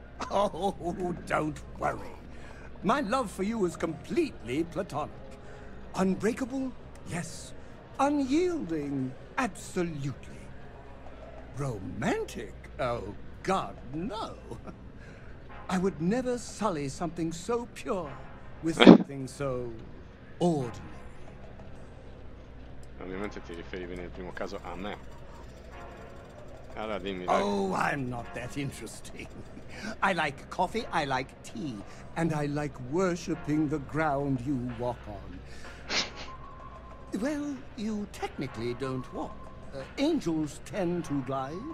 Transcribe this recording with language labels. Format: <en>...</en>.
<en>Oh, don't worry. My love for you is completely platonic. Unbreakable? Yes. Unyielding? Absolutely. Romantic? Oh, God, no. I would never sully something so pure with something so ordinary.</en> <it>Ovviamente ti riferivi nel primo caso a me. Allora, dimmi,</it> <en>I'm not that interesting. I like coffee, I like tea, and I like worshipping the ground you walk on. Well, you technically don't walk. Angels tend to glide.</en>